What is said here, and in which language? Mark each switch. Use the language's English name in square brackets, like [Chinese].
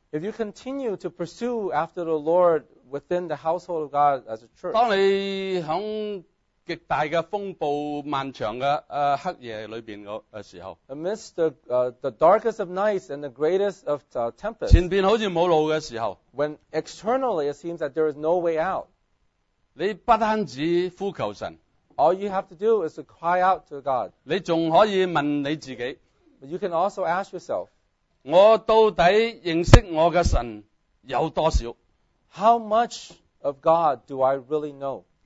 [English] if you continue to pursue after the Lord within the household of God as a church, [Chinese] 当你在极大的风暴漫长的黑夜里面的时候， [English] amidst the darkest of nights and the greatest of tempests, [Chinese] 前面好像没路的时候， [English] when externally it seems that there is no way out, [Chinese] 你不单止呼求神， [English] all you have to do is to cry out to God. [Chinese] 你还可以问你自己， [English] but you can also ask yourself, [Chinese] 我到底认识我的神有多少？ [English] How much of God do I really know?